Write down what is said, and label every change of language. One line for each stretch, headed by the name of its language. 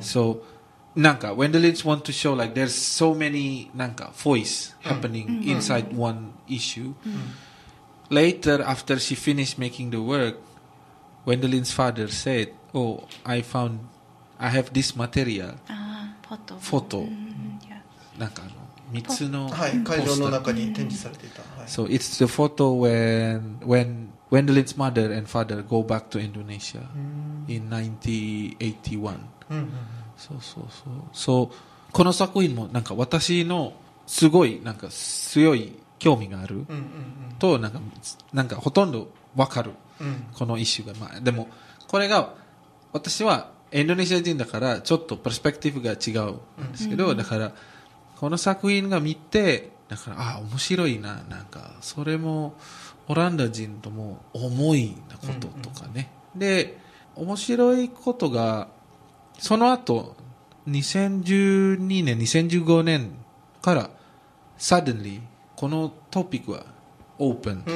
English: so なんか Wendelin want to show like there's so many なんか voice happening、うん、inside、うん、one issue、うん、 later after she finished making the workWendelin's father said, "Oh, I found, I have this material." Photo. Photo. Yeah.
Japanese: なんかあの三つの会場の中に展示されていた。
English: So it's the photo when Wendelin's mother and father go back to Indonesia、 mm-hmm. in 1981. Mm-hmm.
Japanese: So この作品もなんか私のすごいなんか強い興味がある、 mm-hmm. となんかほとんどわかる。うん、このイシューが、まあ、でもこれが私はインドネシア人だからちょっとパスペクティブが違うんですけど、うん、だからこの作品が見てだからあ面白いな、なんかそれもオランダ人とも重いなこととかね、うんうん、で面白いことがその後2012年2015年から suddenly このトピックはオープンとか、